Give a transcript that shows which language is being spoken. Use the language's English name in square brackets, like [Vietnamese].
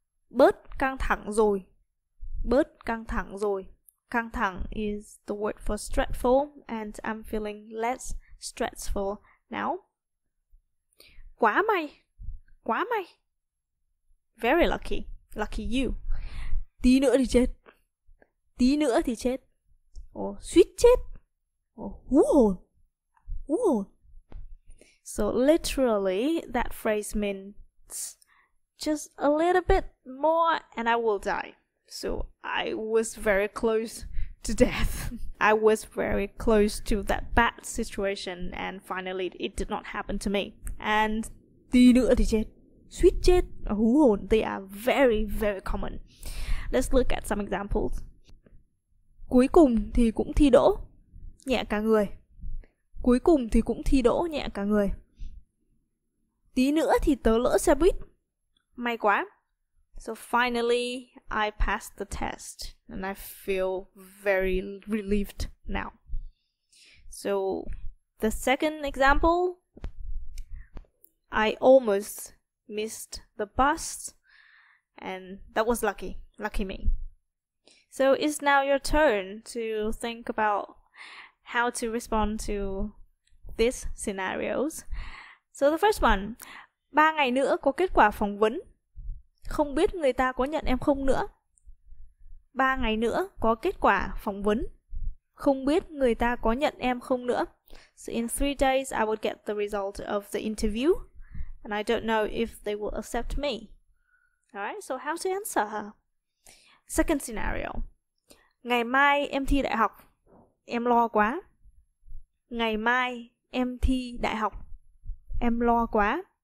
[Vietnamese] Bớt căng thẳng rồi. Bớt căng thẳng rồi. [English] Căng thẳng is the word for stressful, and I'm feeling less stressful now. [Vietnamese] Quá may, quá may. [English] Very lucky, lucky you. [Vietnamese] Tí nữa thì chết, tí nữa thì chết. Or suýt chết. Or hú hồn, hú hồn. [English] So literally, that phrase means just a little bit more and I will die. So I was very close to death. I was very close to that bad situation and finally it did not happen to me. And [Vietnamese] tí nữa thì chết, suýt chết, hú hồn. [English] They are very, very common. Let's look at some examples. [Vietnamese] Cuối cùng thì cũng thi đỗ, nhẹ cả người. Cuối cùng thì cũng thi đỗ, nhẹ cả người. Tí nữa thì tớ lỡ xe buýt. May quá. [English] So finally, I passed the test and I feel very relieved now. So the second example, I almost missed the bus and that was lucky, lucky me. So it's now your turn to think about how to respond to these scenarios. So the first one, [Vietnamese] 3 ngày nữa có kết quả phỏng vấn. Không biết người ta có nhận em không nữa. 3 ngày nữa có kết quả phỏng vấn. Không biết người ta có nhận em không nữa. [English] So in 3 days, I would get the result of the interview. And I don't know if they will accept me. Alright, so how to answer her? Second scenario. [Vietnamese] Ngày mai em thi đại học. Em lo quá. Ngày mai em thi đại học. Em lo quá.